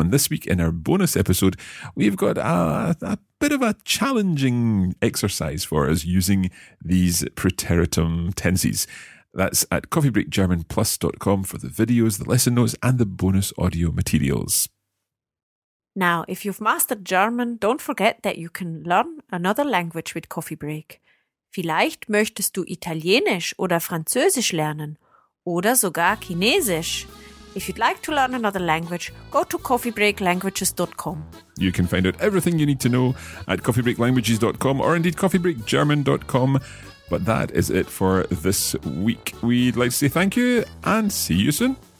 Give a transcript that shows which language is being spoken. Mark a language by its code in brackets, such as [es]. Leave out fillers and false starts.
[en] And this week in our bonus episode, we've got a bit of a challenging exercise for us using these preteritum tenses. That's at coffeebreakgermanplus.com for the videos, the lesson notes and the bonus audio materials. Now, if you've mastered German, don't forget that you can learn another language with Coffee Break. [de] Vielleicht möchtest du Italienisch oder Französisch lernen oder sogar Chinesisch. [en] If you'd like to learn another language, go to coffeebreaklanguages.com. You can find out everything you need to know at coffeebreaklanguages.com or indeed coffeebreakgerman.com. But that is it for this week. We'd like to say thank you and see you soon.